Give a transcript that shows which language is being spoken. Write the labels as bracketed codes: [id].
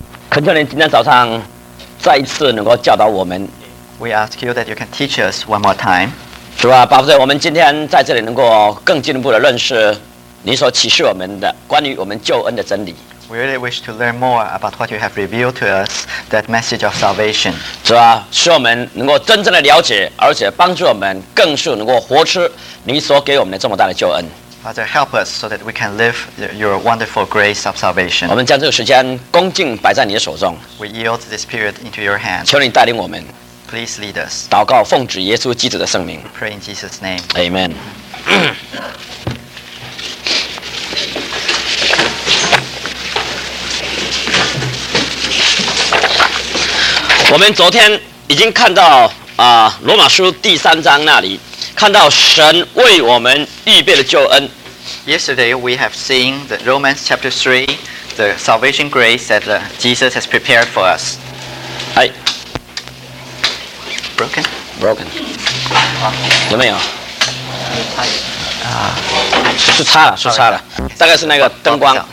[zh] 恳求您今天早上再一次能够教导我们。 [en] We ask you that you can teach us one more time. [zh] 主啊，巴不得我们今天在这里能够更进一步的认识您所启示我们的关于我们救恩的真理。 [en] We really wish to learn more about what you have revealed to us, that message of salvation. [zh] 主啊，使我们能够真正的了解，而且帮助我们更是能够活出您所给我们的这么大的救恩。 [en] Father, help us so that we can live your wonderful grace of salvation. [zh] 我们将这个时间恭敬摆在你的手中。 [en] We yield this period into your hands. [zh] 求你带领我们。 [en] Please lead us. [zh] 祷告奉主耶稣基督的圣名。 [en] Pray in Jesus' name. Amen. [zh] 我们昨天已经看到罗马书第三章那里看到神为我们预备的救恩。 [en] Yesterday we have seen the Romans chapter 3, the salvation grace that Jesus has prepared for us. Hi. Broken? [zh] Broken. 有没有？是擦了，是擦了。大概是那个灯光。